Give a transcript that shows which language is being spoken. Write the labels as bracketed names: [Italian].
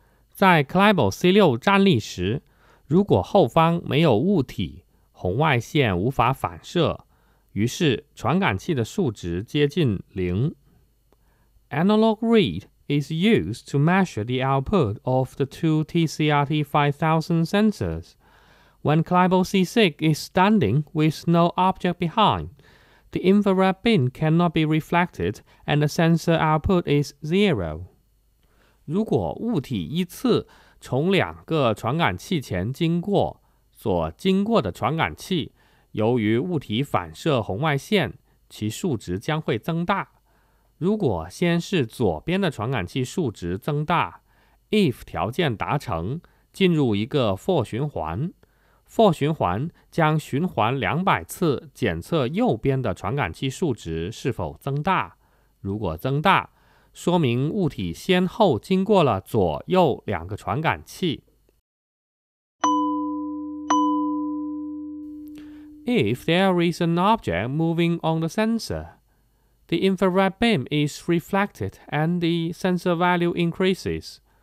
[Chinese] 在 Clibo C6 站立时，如果后方没有物体，红外线无法反射，于是传感器的数值接近零。 [English] Analog Read is used to measure the output of the two TCRT 5000 sensors. When Clibo C6 is standing with no object behind, the infrared beam cannot be reflected and the sensor output is zero. [Chinese] 如果物体依次从两个传感器前经过，所经过的传感器由于物体反射红外线，其数值将会增大。如果先是左边的传感器数值增大 ，if 条件达成，进入一个 for 循环 ，for 循环将循环200次，检测右边的传感器数值是否增大。如果增大，说明物体先后经过了左右两个传感器。 [English] If there is an object moving on the sensor, the infrared beam is reflected and the sensor value increases.